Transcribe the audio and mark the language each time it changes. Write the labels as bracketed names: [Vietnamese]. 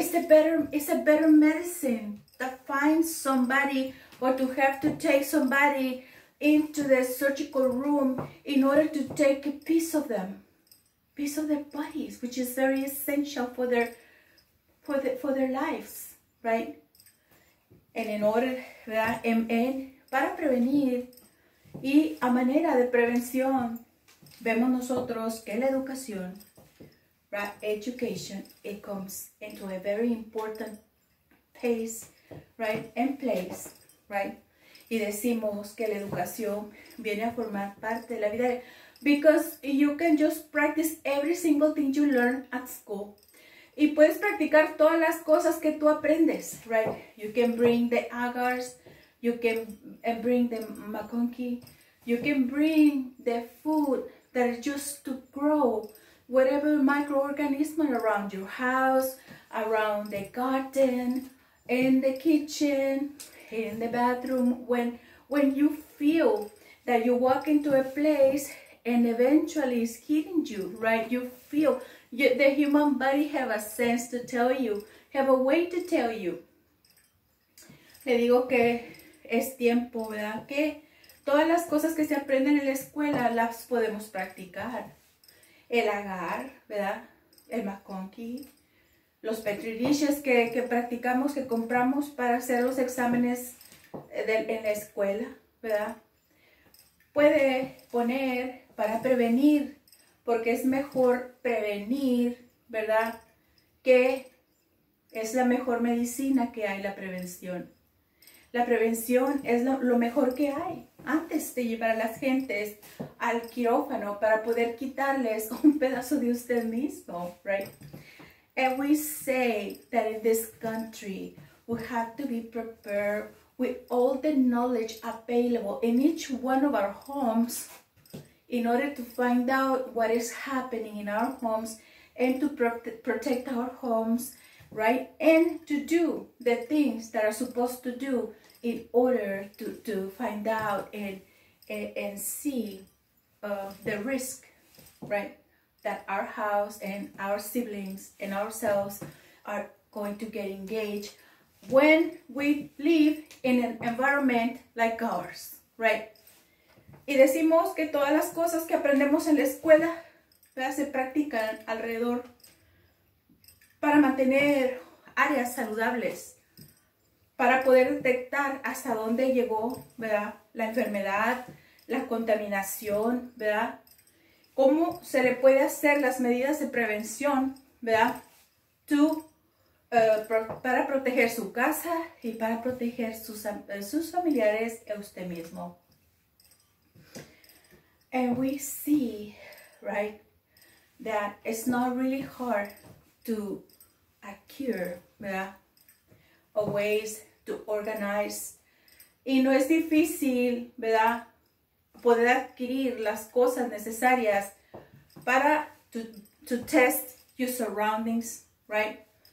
[English] It's a better medicine to find somebody or to have to take somebody into the surgical room in order to take a piece of them. Piece of their bodies, which is very essential for their lives, right? And in order, [Spanish] ¿verdad? En para prevenir y a manera de prevención, vemos nosotros que la educación, [English] right? Education, it comes into a very important pace, right? And place, right? [Spanish] Y decimos que la educación viene a formar parte de la vida de. [English] Because you can just practice every single thing you learn at school. [Spanish] Y puedes practicar todas las cosas que tú aprendes, [English] right? You can bring the agars, you can bring the McConkey, you can bring the food that is just to grow whatever microorganism around your house, around the garden, in the kitchen, in the bathroom, when you feel that you walk into a place and eventually it's hitting you, right? You feel, the human body have a sense to tell you, have a way to tell you. [Spanish] Le digo que es tiempo, ¿verdad? Que todas las cosas que se aprenden en la escuela las podemos practicar. El agar, ¿verdad? El McConkey. Los petri dishes que practicamos, que compramos para hacer los exámenes en la escuela, ¿verdad? Puede poner para prevenir, porque es mejor prevenir, ¿verdad? Que es la mejor medicina que hay, la prevención. La prevención es lo mejor que hay antes de llevar a las gentes al quirófano para poder quitarles un pedazo de usted mismo, [English] right? And we say that in this country, we have to be prepared with all the knowledge available in each one of our homes in order to find out what is happening in our homes and to protect our homes, right? And to do the things that are supposed to do in order to find out and see the risk, right? That our house and our siblings and ourselves are going to get engaged when we live in an environment like ours, right? [Spanish] Y decimos que todas las cosas que aprendemos en la escuela, ¿verdad? Se practican alrededor para mantener áreas saludables, para poder detectar hasta dónde llegó, ¿verdad? La enfermedad, la contaminación, ¿verdad? Cómo se le puede hacer las medidas de prevención, ¿verdad? Para proteger su casa y para proteger sus familiares y usted mismo. [English] And we see, right, that it's not really hard to acquire, [Spanish] ¿verdad? [English] A ways to organize. [Spanish] Y no es difícil, ¿verdad? Poder adquirir las cosas necesarias para [English] to test your surroundings, right?